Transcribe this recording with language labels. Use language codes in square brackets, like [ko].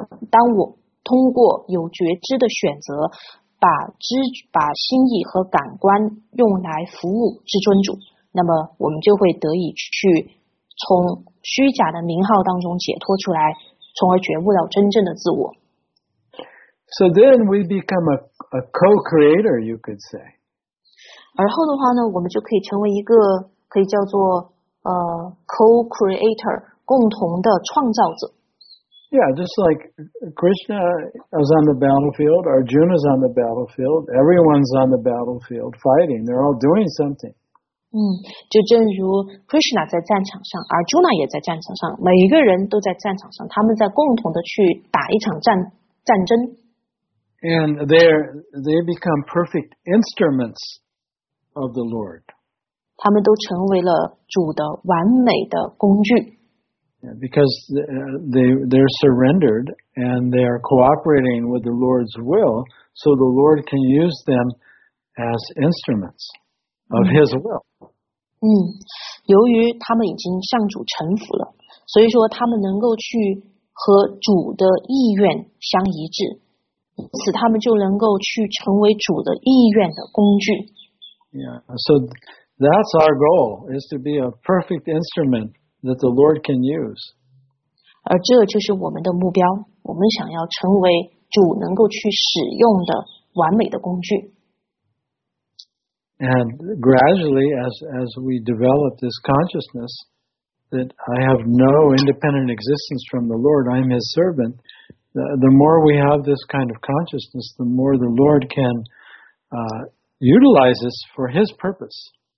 [zh] 当我通过有觉知的选择把心意和感官用来服务至尊主，那么我们就会得以去从虚假的名号当中解脱出来，从而觉悟到真正的自我。 [en] So then we become a co-creator, you could say. [zh] 而后的话呢，我们就可以成为一个可以叫做co-creator, 共同的创造者。 [en] Yeah, just like Krishna is on the battlefield, Arjuna is on the battlefield, everyone's on the battlefield fighting. They're all doing something. [zh] 就正如 Krishna 在战场上， Arjuna 也在战场上，每一个人都在战场上，他们在共同的去打一场战争。 [en] And they become perfect instruments of the Lord. [zh] 他们都成为了主的完美的工具。 [en] Yeah, because they're surrendered and they're cooperating with the Lord's will, so the Lord can use them as instruments of His will. [zh] 由于他们已经向主臣服了，所以说他们能够去和主的意愿相一致，使他们就能够去成为主的意愿的工具。 [en] Yeah, so that's our goal, is to be a perfect instrument. That the Lord can use. [zh] 而这就是我们的目标，我们想要成为主能够去使用的完美的工具。 [en] And gradually, as we develop this consciousness that I have no independent existence from the Lord, I'm His servant, the more we have this kind of consciousness, the more the Lord can utilize us for His purpose.